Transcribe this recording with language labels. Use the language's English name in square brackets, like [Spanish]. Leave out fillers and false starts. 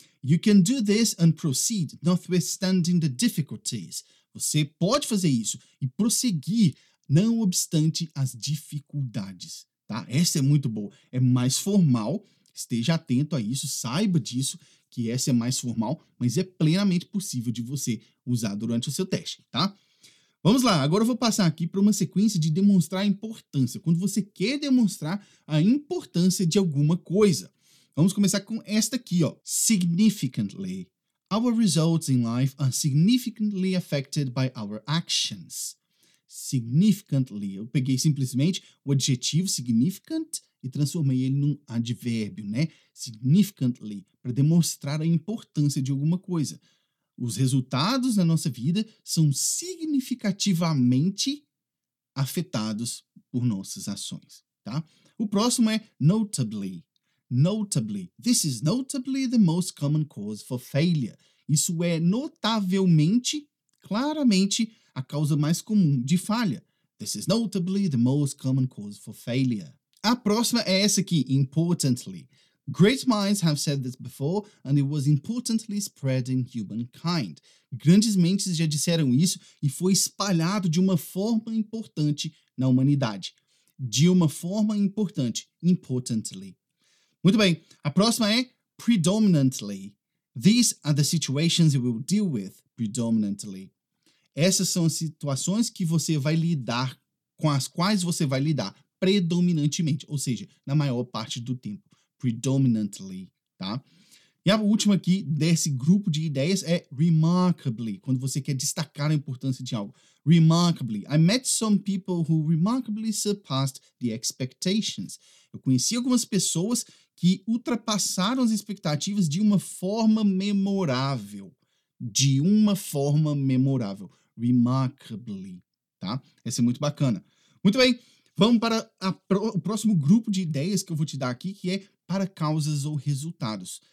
[English] You can do this and proceed, notwithstanding the difficulties. [Portuguese] Você pode fazer isso e prosseguir, não obstante as dificuldades, tá? Essa é muito boa, é mais formal, esteja atento a isso, saiba disso, que essa é mais formal, mas é plenamente possível de você usar durante o seu teste, tá? Vamos lá, agora eu vou passar aqui para uma sequência de demonstrar a importância, quando você quer demonstrar a importância de alguma coisa. Vamos começar com esta aqui, ó. Significantly. [English] Our results in life are significantly affected by our actions. Significantly. [Portuguese] Eu peguei simplesmente o adjetivo significant e transformei ele num advérbio, né? Significantly. Para demonstrar a importância de alguma coisa. Os resultados da nossa vida são significativamente afetados por nossas ações, tá? O próximo é notably. Notably. [English] This is notably the most common cause for failure. [Portuguese] Isso é notavelmente, claramente, a causa mais comum de falha. [English] This is notably the most common cause for failure. [Portuguese] A próxima é essa aqui, [English] importantly. Great minds have said this before, and it was importantly spread in humankind. [Portuguese] Grandes mentes já disseram isso e foi espalhado de uma forma importante na humanidade. De uma forma importante, importantly. Muito bem, a próxima é predominantly. [English] These are the situations you will deal with predominantly. [Portuguese] Essas são as situações que você vai lidar, com as quais você vai lidar predominantemente, ou seja, na maior parte do tempo, predominantly, tá? E a última aqui desse grupo de ideias é remarkably, quando você quer destacar a importância de algo. [English] Remarkably. I met some people who remarkably surpassed the expectations. [Portuguese] Eu conheci algumas pessoas que ultrapassaram as expectativas de uma forma memorável. De uma forma memorável. Remarkably. Tá? Essa é muito bacana. Muito bem. Vamos para o próximo grupo de ideias que eu vou te dar aqui, que é para causas ou resultados.